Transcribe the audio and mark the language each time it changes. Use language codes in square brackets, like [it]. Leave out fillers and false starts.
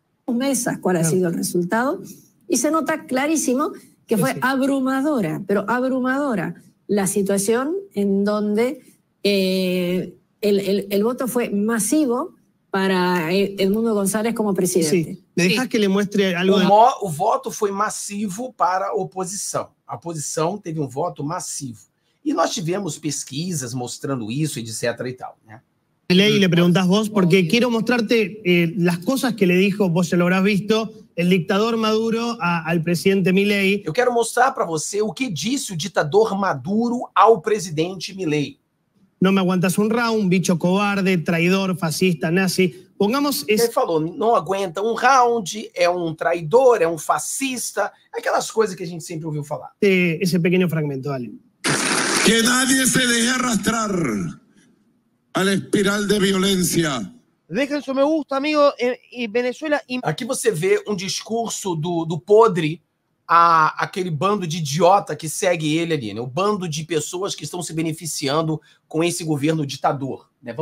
[pt] Mesa, qual ha sido o resultado? E se nota claríssimo que foi abrumadora, [es] pero abrumadora, [pt] a situação em [es] donde el voto [pt] foi massivo para Edmundo González como presidente. Sim. Me deixa que ele mostre algo. O voto foi massivo para a oposição. A oposição teve um voto massivo. E nós tivemos pesquisas mostrando isso, etc. e tal, né? [es] Y le preguntás vos, porque quiero mostrarte las cosas que le dijo, vos ya lo habrás visto, el dictador Maduro al presidente Milei. Yo quiero mostrar [pt] para você [es] lo que dice el dictador Maduro al presidente Milei. No me aguantas un round, bicho cobarde, traidor, fascista, nazi. Pongamos ese... Él falou, no aguanta un round, es un traidor, es un fascista. [pt] Aquelas cosas que a gente siempre ouviu falar. [es] Ese pequeño fragmento, dale. Que nadie se deje arrastrar a la espiral de violencia. Dejen su me gusta, amigo, y Venezuela... [pt] Aquí você vê un discurso do podre a aquele bando de idiota que segue ele ali, né? O bando de pessoas que estão se beneficiando com esse governo ditador, né?